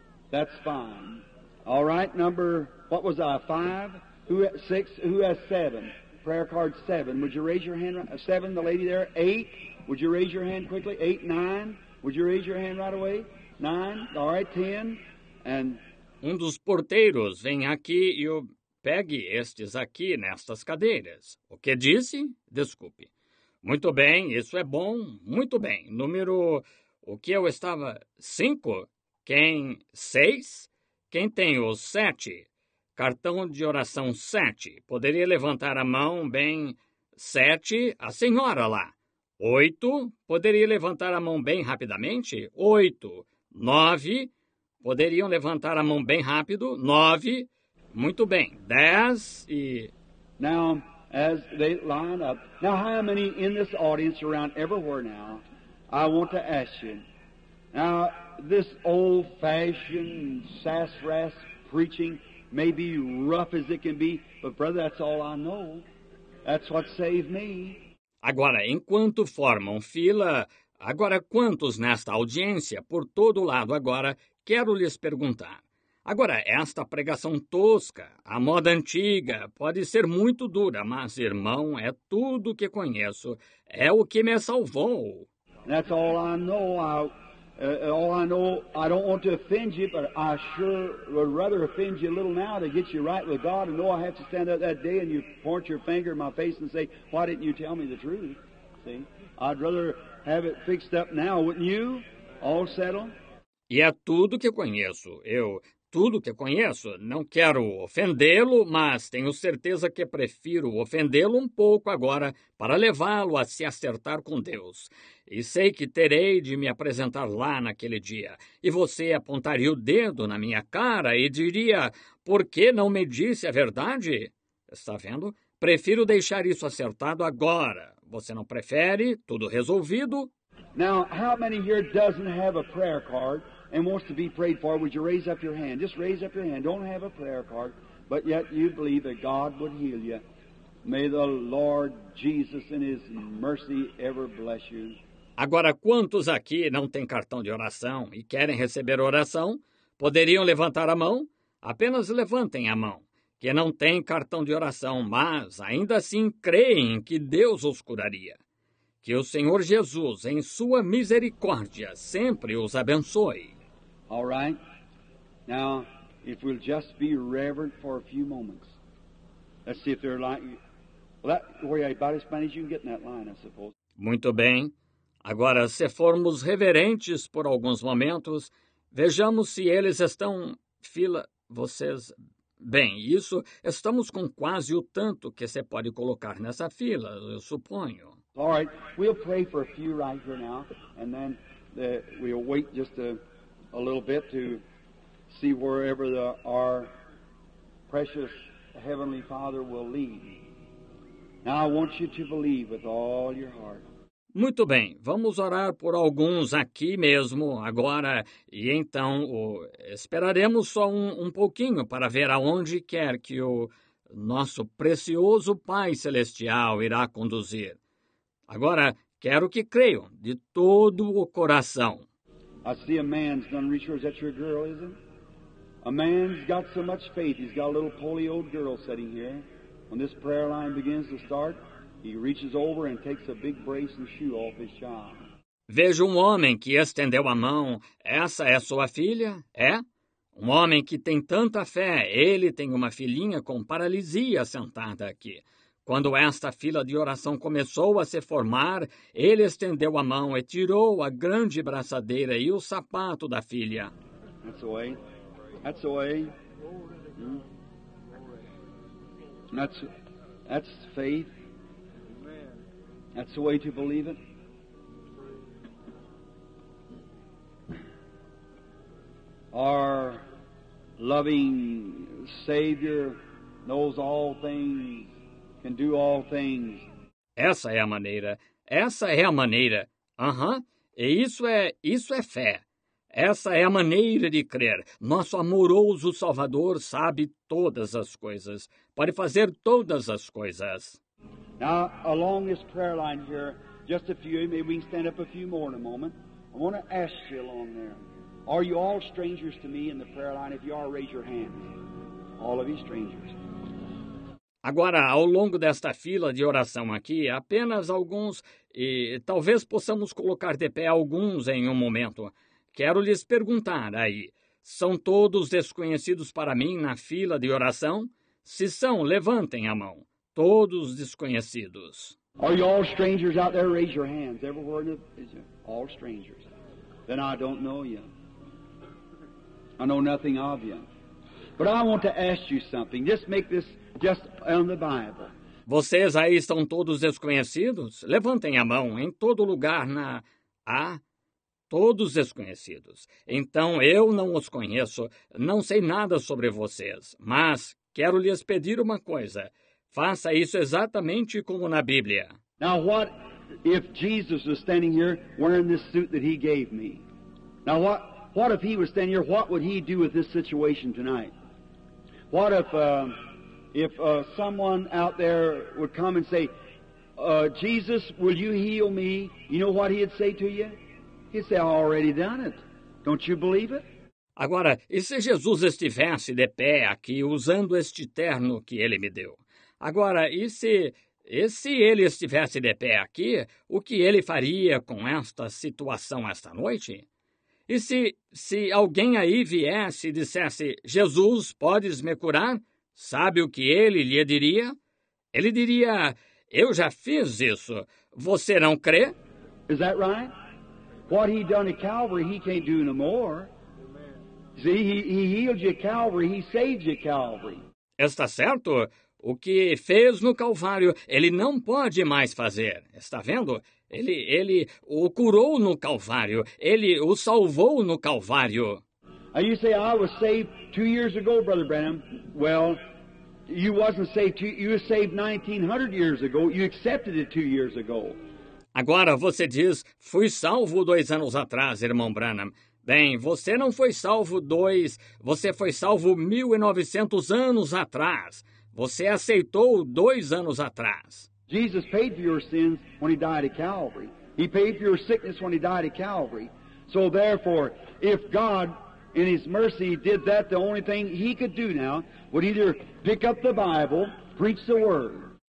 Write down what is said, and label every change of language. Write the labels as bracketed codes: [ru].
[en] That's fine. All right, number, what was I, 5? Who has 6? Who has 7? Prayer card 7. Would you raise your hand? 7, the lady there. 8. Would you raise your hand quickly? 8, 9. Would you raise your hand right away? 9. All right, 10. And... [pt] Um dos porteiros vem aqui e o... Pegue estes aqui nestas cadeiras. O que disse? Desculpe. Muito bem, isso é bom. Muito bem. Número... O que eu estava... 5? Quem... 6? Quem tem o 7? Cartão de oração 7. Poderia levantar a mão bem 7? A senhora lá. 8. Poderia levantar a mão bem rapidamente? 8. 9. Poderiam levantar a mão bem rápido? 9. Muito bem. 10 e... [en] Now, as they line up... Now, how many in this audience around everywhere now, I want to ask you. Now, this old-fashioned sassafras preaching... Maybe rough as it can be, but brother, that's all I know. That's what saved me. [pt] Agora, enquanto formam fila, agora quantos nesta audiência, por todo lado agora, quero lhes perguntar. Agora, esta pregação tosca, a moda antiga, pode ser muito dura, mas, irmão, é tudo que conheço. É o que me salvou. [en] That's all I know. All I know, I don't want to offend you, but I sure would rather offend you a little now to get you right with God and know I have to stand up that day and you point your finger in my face and say, why didn't you tell me the truth? See? I'd rather have it fixed up now, wouldn't you? All settled? [pt] E é tudo que conheço. Eu tudo que conheço. Não quero ofendê-lo, mas tenho certeza que prefiro ofendê-lo um pouco agora para levá-lo a se acertar com Deus. E sei que terei de me apresentar lá naquele dia. E você apontaria o dedo na minha cara e diria, por que não me disse a verdade? Está vendo? Prefiro deixar isso acertado agora. Você não prefere? Tudo resolvido? [en] Now, how many here doesn't have a prayer card and wants to be prayed for? Would you raise up your hand? Just raise up your hand. Don't have a prayer card, but yet you believe that God would heal you. May the Lord Jesus in his mercy ever bless you. [pt] Agora, quantos aqui não têm cartão de oração e querem receber oração? Poderiam levantar a mão? Apenas levantem a mão. Que não têm cartão de oração, mas ainda assim creem que Deus os curaria. Que o Senhor Jesus, em sua misericórdia, sempre os abençoe. [en] All right. Now, if we'll just be reverent for a few moments. Let's see if they're like... Well, that, where you're about as funny as you can get in that line, I suppose. [pt] Muito bem. Agora, se formos reverentes por alguns momentos, vejamos se eles estão... Fila, vocês... Bem, isso, estamos com quase o tanto que você pode colocar nessa fila, eu suponho. [en] All right, we'll pray for a few right here now, and then we'll wait just a little bit to see wherever our precious Heavenly Father will lead. Now I want you to believe with all your heart. [pt] Muito bem, vamos orar por alguns aqui mesmo, agora, e então esperaremos só um pouquinho para ver aonde quer que o nosso precioso Pai Celestial irá conduzir. Agora, quero que creiam de todo o coração. [en] I see a man's done research. Is that your girl, is it? A man's got so much faith, he's got a little poly old girl sitting here. When this prayer line begins to start, he reaches over and takes a big brace and shoe off his child. [pt] Vejo um homem que estendeu a mão. Essa é sua filha? É? Um homem que tem tanta fé. Ele tem uma filhinha com paralisia sentada aqui. Quando esta fila de oração começou a se formar, ele estendeu a mão e tirou a grande braçadeira e o sapato da filha. [en] That's the way. That's the way. That's faith. That's the way to believe it. Our loving Savior knows all things, can do all things. [pt] Essa é a maneira. Essa é a maneira. Aham. E isso é fé. Essa é a maneira de crer. Nosso amoroso Salvador sabe todas as coisas. Pode fazer todas as coisas. [en] Now, along this prayer line here, just a few, maybe we can stand up a few more in a moment. I want to ask you along there, are you all strangers to me in the prayer line? If you are, raise your hand. All of you strangers. [pt] Agora, ao longo desta fila de oração aqui, apenas alguns, e talvez possamos colocar de pé alguns em um momento. Quero lhes perguntar aí, são todos desconhecidos para mim na fila de oração? Se são, levantem a mão. Todos desconhecidos. [en] Are you all strangers out there? Raise your hands. Everywhere in the place. All strangers. Then I don't know you. I know nothing of you. But I want to ask you something. Just make this just on the Bible. [pt] Vocês aí estão todos desconhecidos? Levantem a mão em todo lugar na... Ah, todos desconhecidos. Então eu não os conheço. Não sei nada sobre vocês. Mas quero lhes pedir uma coisa. Faça isso exatamente como na Bíblia. [en] Now what if Jesus was standing here wearing this suit that he gave me? Now what if he was standing here, what would he do with this situation tonight? What if someone out there would come and say, Jesus, will you heal me? You know what he'd say to you? He'd say, I already done it. Don't you believe it? [pt] Agora, e se Jesus estivesse de pé aqui usando este terno que ele me deu? Agora, e se ele estivesse de pé aqui, o que ele faria com esta situação esta noite? E se alguém aí viesse e dissesse, Jesus, podes me curar? Sabe o que ele lhe diria? Ele diria, eu já fiz isso. Você não crê? [en] Is that right? What he done at Calvary, he can't do no more. He healed you at Calvary. He saved you at Calvary. [pt] Está certo? O que fez no Calvário, ele não pode mais fazer. Está vendo? Ele o curou no Calvário. Ele o salvou no Calvário. [en] And you say, I was saved 2 years ago, Brother Branham. Well, you wasn't saved. You were saved 1900 years ago. You accepted it 2 years ago. [pt] Agora você diz, fui salvo 2 anos atrás, irmão Branham. Bem, você não foi salvo você foi salvo 1900 anos atrás. Você aceitou 2 anos atrás. [en] Jesus paid for your sins when he died at Calvary. He paid for your sickness when he died at Calvary. So therefore, if God in his mercy did that, the only thing he could do now would either pick up the Bible, preach the word.